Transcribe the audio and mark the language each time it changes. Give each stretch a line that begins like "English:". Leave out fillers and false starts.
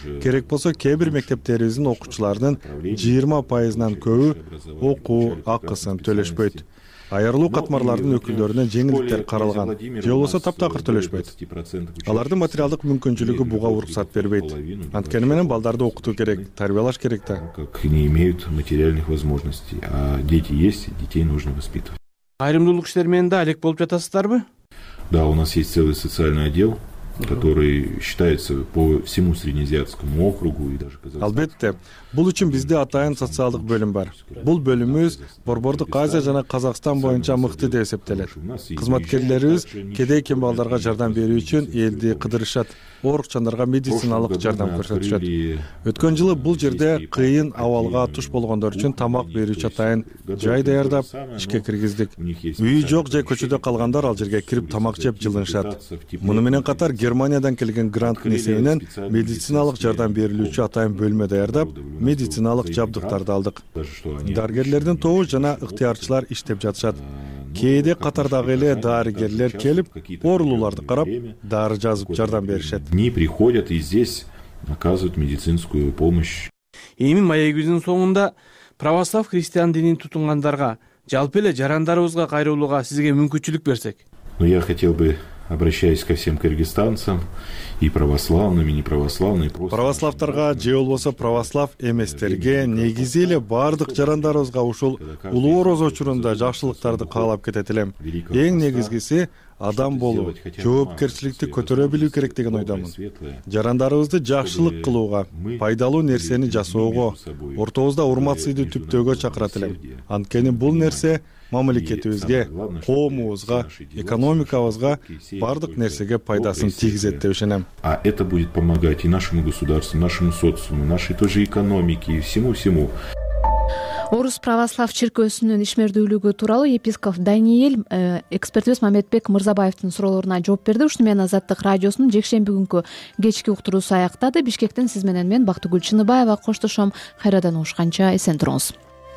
Kyrgyz: Керек болсо кээ бир мектептерибиздин окуучуларынын 20%дан көбү окуу акысын төлөшпөйт. Айырылуу катмарлардын өкүлдөрүнө жеңилдиктер каралган, же болбосо таптакыр төлөшпөйт. Алардын материалдык мүмкүнчүлүгү буга уруксат бербейт. Анткени менен балдарды окутуу керек, тарбиялаш керек да.
Russian: Как не имеют материальных возможностей, а дети есть, детей нужно воспитывать.
Kyrgyz: Кайрымдуулук иштер менен да алек болуп жатасыздарбы?
Russian: Да, у нас есть целый социальный отдел, который считается по всему Среднеазиатскому округу и даже Казахстан.
Kyrgyz: Албетте, бул үчүн бизде атайын социалдык бөлүм бар. Бул бөлүмүбүз Борбордук Азия жана Казакстан боюнча мыкты деп эсептелет. Кызматкерлерибиз кедей кем балдарга жардам берүү үчүн элди кыдырышат. Оорукчандарга медициналык жардам көрсөтүшөт. Өткөн жылы бул жерде кыйын абалга туш болгондор үчүн тамак берүүчү атайын жай даярдап, ишке киргиздик. Үйү жок же көчөдө калгандар ал жерге кирип тамак жеп жылынышат. Муну менен катар Германиядан келген гранттын эсебинен медициналык жардам берилүүчү атайын бөлмө даярдап, медициналык жабдыктарды алдык. Дарыгерлердин тобу жана ыктыярчылар иштеп жатышат. Кээде катардагы эле дарыгерлер келип, оорулууларды карап, дары жазып жардам беришет.
Russian: Не приходят и здесь оказывают медицинскую помощь.
Kyrgyz: Эми маегибиздин соңунда православ христиан динин тутунгандарга, жалпы эле жарандарыбызга кайрылууга сизге мүмкүнчүлүк берсек.
Russian: Ну я хотел бы, обращаясь ко всем кыргызстанцам, и православным, и неправославным.
Kyrgyz: Православтарга же болбосо православ эместерге, негизи эле бардык жарандарыбызга ушул улуу орозо учурунда жакшылыктарды каалап кетет элем. Эң негизгиси адам болуп, жоопкерчиликти көтөрө билүү керек деген ойдомун. Жарандарыбызды жакшылык кылууга, пайдалуу нерсени жасоого, ортобузда урматсызды түптөөгө чакырат элем. Анткени бул нерсе мамлекетибизге, коомубузга, экономикабызга бардык нерсеге пайдасын тийгизет деп ишенем.
Russian: А это будет помогать и нашему государству, нашему социуму, нашей той же экономике и всему-всему.
Kyrgyz: Орус православ чиркөөсүнүн ишмердүүлүгү тууралуу епископ Даниил экспертибиз Маметбек Мырзабаевдин суроолоруна жооп берди. Ушуну менен Азаттык радиосунун жекшемби күнкү кечки уктуруусу аяктады. Бишкектен сиз менен мен Бактыгүл Чыныбаева коштошом. Кайрадан угушканча эсен туруңуз.